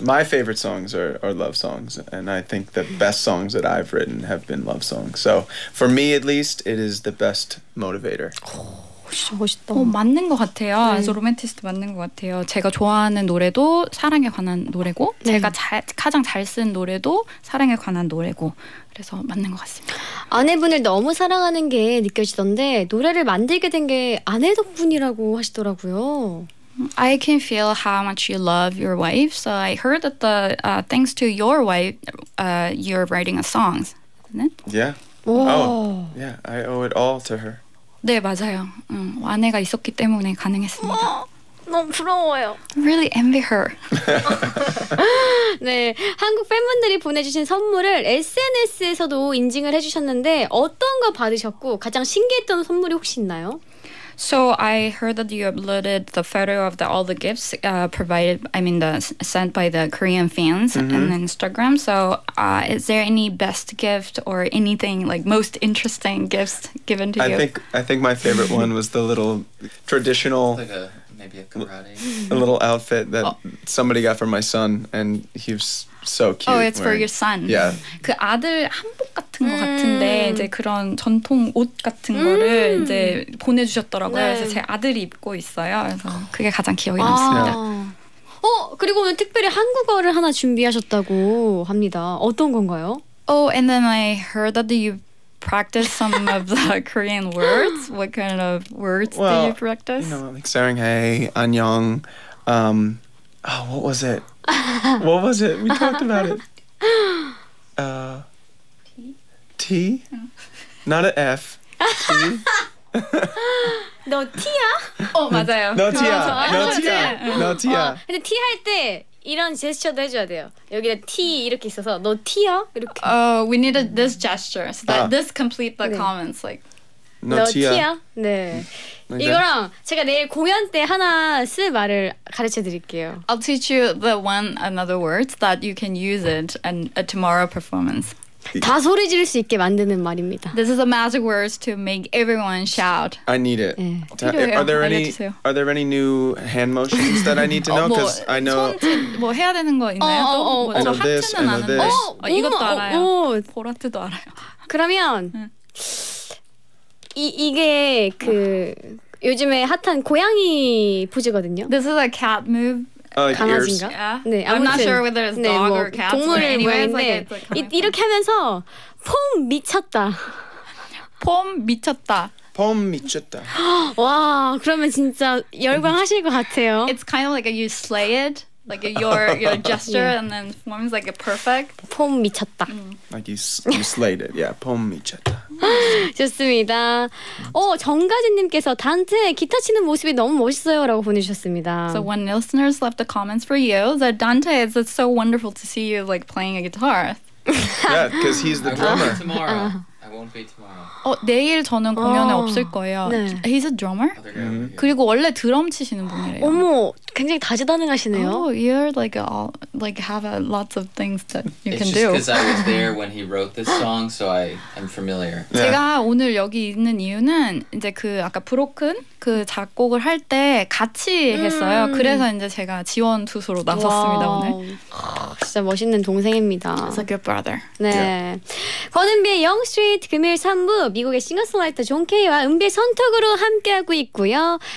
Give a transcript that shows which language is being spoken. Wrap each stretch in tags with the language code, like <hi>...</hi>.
<en>My favorite songs are love songs, and I think the best songs that I've written have been love songs. So for me, at least, it is the best motivator.</en> <ko>진짜 멋있다. 어, 맞는 것 같아요. 네. 그래서 로맨티스트 맞는 것 같아요. 제가 좋아하는 노래도 사랑에 관한 노래고 네. 제가 가장 잘 쓴 노래도 사랑에 관한 노래고 그래서 맞는 것 같습니다. 아내분을 너무 사랑하는 게 느껴지던데 노래를 만들게 된 게 아내 덕분이라고 하시더라고요.</ko> <en>I can feel how much you love your wife. So I heard that the thanks to your wife you're writing a song. Isn't it? Yeah. Wow. Oh, yeah. I owe it all to her.</en> <ko>네, 맞아요. 아내가 있었기 때문에 가능했습니다. 너무 부러워요.</ko> <en>Really envy her.</en> <ko>네, 한국 팬분들이 보내주신 선물을 SNS에서도 인증을 해주셨는데 어떤 거 받으셨고 가장 신기했던 선물이 혹시 있나요?</ko> <en>So I heard that you uploaded the photo of the, all the gifts provided, I mean, the, sent by the Korean fans mm-hmm. on Instagram. So is there any best gift or anything, like most interesting gifts given to you? I think my favorite one was the little traditional... Maybe a little outfit that somebody got for my son, and he was so cute. Oh, it's for your son. Yeah.</en> <ko>그 아들 한복 같은 거 같은데 이제 그런 전통 옷 같은 거를 이제 보내주셨더라고요. 네. 그래서 제 아들이 입고 있어요. 그래서 그게 가장 기억에 남습니다. 어 그리고 오늘 특별히 한국어를 하나 준비하셨다고 합니다. 어떤 건가요?</ko> <en>Oh, and then I heard that you. Practice some of the Korean words. What kind of words well, do you practice? You know, like saranghae, annyeong. What was it? What was it? We talked about it. T. Not an F. T.</en> <ko>No T야? 어 맞아요. No T야. No T야. No T야. 근데 T 할 때. 이런 제스처도 해줘야 돼요. 여기에 T 이렇게 있어서 너 T야? 이렇게.</ko> <en>We need this gesture. So that this complete the 네. comments. Like,</en> <ko>너 T야? 네. 네. 이거랑 제가 내일 공연 때 하나 쓸 말을 가르쳐드릴게요.</ko> <en>I'll teach you the one another word that you can use it in a tomorrow performance.</en> <ko>다 소리 지를 수 있게 만드는 말입니다.</ko> <en>This is a magic words to make everyone shout. I need it. 네. Are there any new hand motions that I need to know? Because 뭐, I know.</en> <ko>뭐 해야 되는 거 있나요? 저 하트는 아는데. 어, 이것도 알아요. 보라트도 알아요. 그러면 이게 그 요즘에 핫한 고양이 포즈거든요.</ko> <en>This is a cat move. Like</en> <ko>강아지인가?</ko> <en>Ears. Yeah. 네, I'm not sure whether it's dog 뭐, or cat.</en> <ko>동물 모양인데 like 이렇게 하면서 폼 미쳤다. 폼 미쳤다. 폼 미쳤다. 와, 그러면 진짜 열광하실 것 같아요.</ko> <en>It's kind of like you slay it, like your gesture, yeah. and then forms like a perfect.</en> <ko>폼 미쳤다.</ko> <en>Like you slayed it, yeah.</en> <ko>폼 미쳤다. 좋습니다. 정가진님께서 단테 기타 치는 모습이 너무 멋있어요라고 보내주셨습니다.</ko> <en>So one listener left the comments for you that Dante is it's so wonderful to see you like playing a guitar. Yeah, because he's the drummer. I won't be tomorrow.</en> <ko>내일 저는 공연에 없을 거예요.</ko> <en>네. He's a drummer. Mm-hmm.</en> <ko>그리고 원래 드럼 치시는 분이래요. 어머, 굉장히 다재다능하시네요.</ko> <en>Oh, you're like have lots of things that you It's can do. It's just because I was there when he wrote this song, so I'm familiar. Yeah.</en> <ko>제가 오늘 여기 있는 이유는 이제 그 아까 브로큰 그 작곡을 할 때 같이 했어요. 그래서 이제 제가 지원 투수로 나섰습니다 wow. 오늘. 진짜 멋있는 동생입니다.</ko> <en>It's a good brother. 네, yeah.</en> <ko>권은비의 영스트리트 금요일 3부 미국의 싱어송라이터 존 케이와 은비의 선톡으로 함께하고 있고요.</ko>